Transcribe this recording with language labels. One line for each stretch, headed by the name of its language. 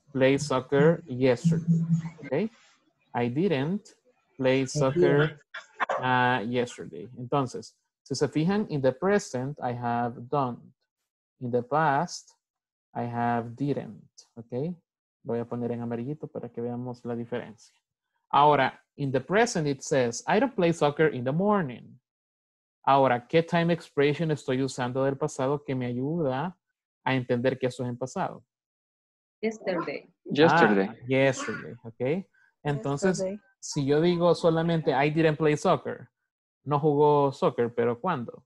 English: play soccer yesterday. Okay? I didn't play soccer yesterday.
Spanish: Entonces, si se fijan,
English: in the present, I have done. In the past, I have didn't. Okay?
Spanish: Voy a poner en amarillito para que veamos la diferencia. Ahora,
English: in the present, it says, I don't play soccer in the morning.
Spanish: Ahora, ¿qué time expression estoy usando del pasado que me ayuda a entender que eso es en pasado?
English: Yesterday. Ah, yesterday, ok. Entonces, yesterday.
Spanish: Si yo digo solamente,
English: I didn't play soccer.
Spanish: No jugó soccer, pero ¿cuándo?